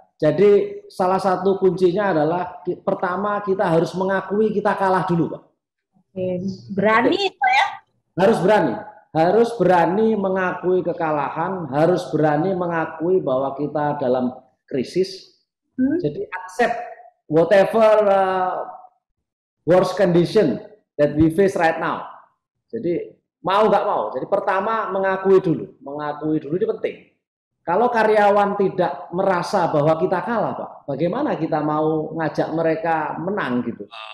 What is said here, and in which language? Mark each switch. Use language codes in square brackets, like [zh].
[id] Jadi salah satu kuncinya adalah pertama kita harus mengakui kita kalah dulu Pak. Berani Pak ya. Harus berani mengakui kekalahan, harus berani mengakui bahwa kita dalam krisis. [en] Jadi accept whatever worst condition that we face right now. [id] Jadi mau nggak mau, jadi pertama mengakui dulu itu penting. Kalau karyawan tidak merasa bahwa kita kalah Pak, bagaimana kita mau ngajak mereka menang gitu.